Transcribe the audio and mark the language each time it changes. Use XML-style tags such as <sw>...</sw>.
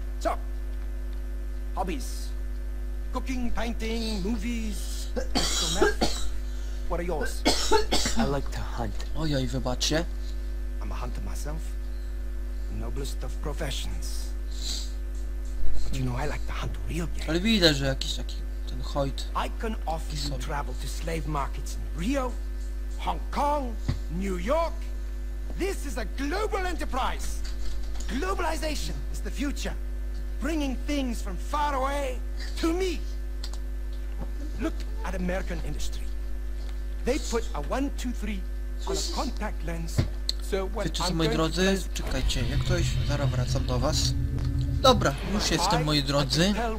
<en>So, hobbies. Cooking, painting, movies. What are yours? I like to hunt. Oh, yeah, you've got it. I'm a hunter myself. Noblest of professions. But you know, I like to hunt real game.</en> <pl>Ale widzę, że jakiś taki ten hojt.</pl> <en>I can offer you travel to slave markets in Rio, Hong Kong, New York. This is a global enterprise. Globalization is the future. Bringing things from far away to me. Look at American industry. They put a 1-2-3 on a contact lens. So what?</en> <pl>Wiecie co, moi drodzy, czekajcie, jak ktoś, zaraz wracam do was. Dobra, już jestem, moi drodzy.</pl>